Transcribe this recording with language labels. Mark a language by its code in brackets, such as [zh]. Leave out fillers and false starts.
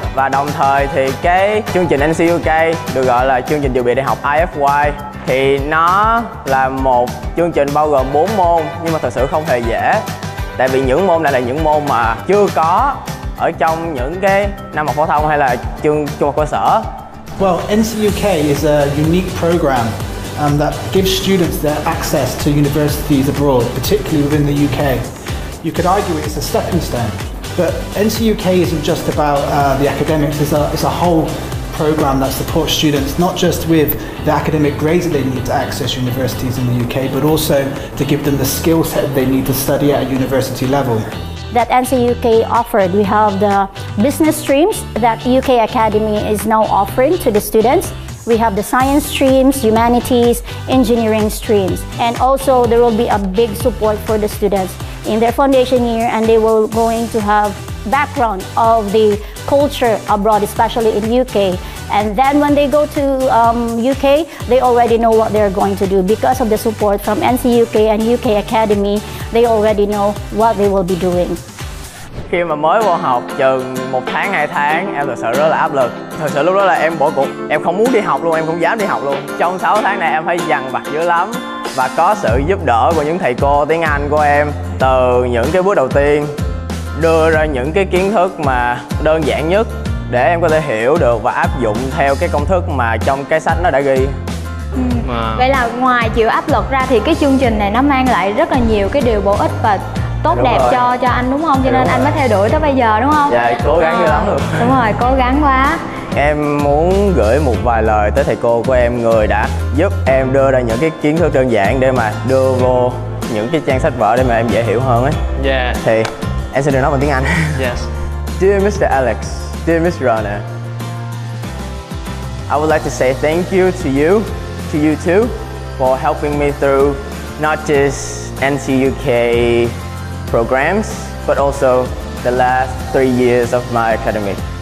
[vi] Và đồng thời thì cái chương trình NCUK được gọi là chương trình dự bị đại học IFY. Thì nó là một chương trình bao gồm 4 môn, nhưng mà thật sự không hề dễ. Tại vì những môn này là những môn mà chưa có ở trong những cái năm học phổ thông hay là trường trung học cơ sở. [en] Well, NCUK is a unique program that gives students their access to universities abroad, particularly within the UK. You could argue it's a stepping stone, but NCUK isn't just about the academics, it's a whole program that supports students, not just with the academic grades that they need to access universities in the UK, but also to give them the skill set they need to study at a university level. That NCUK offered, we have the business streams that UK Academy is now offering to the students. We have the science streams, humanities, engineering streams, and also there will be a big support for the students in their foundation year, and they will going to have background of the culture abroad, especially in UK. And then when they go to UK, they already know what they're going to do. Because of the support from NCUK and UK Academy, they already know what they will be doing. [vi] Khi mà mới vô học chừng 1 tháng, 2 tháng, em thật sự rất là áp lực. Thật sự lúc đó là em bỏ cuộc, em không muốn đi học luôn, em không dám đi học luôn. Trong 6 tháng này em phải dằn vặt dữ lắm. Và có sự giúp đỡ của những thầy cô tiếng Anh của em từ những cái bước đầu tiên, đưa ra những cái kiến thức mà đơn giản nhất để em có thể hiểu được và áp dụng theo cái công thức mà trong cái sách nó đã ghi. Vậy là ngoài chịu áp lực ra thì cái chương trình này nó mang lại rất là nhiều cái điều bổ ích và tốt đẹp cho anh đúng không? Cho nên anh mới theo đuổi tới bây giờ đúng không? Dạ, cố gắng như lắm được. Đúng rồi, cố gắng quá. Em muốn gửi một vài lời tới thầy cô của em, người đã giúp em đưa ra những cái kiến thức đơn giản để mà đưa vô những cái trang sách vở để mà em dễ hiểu hơn ấy. Dạ. Thì em sẽ được nói bằng tiếng Anh. [en] Yes. Dear Mr. Alex, dear Miss Rana, I would like to say thank you to you too, for helping me through not just NCUK programs, but also the last 3 years of my academy.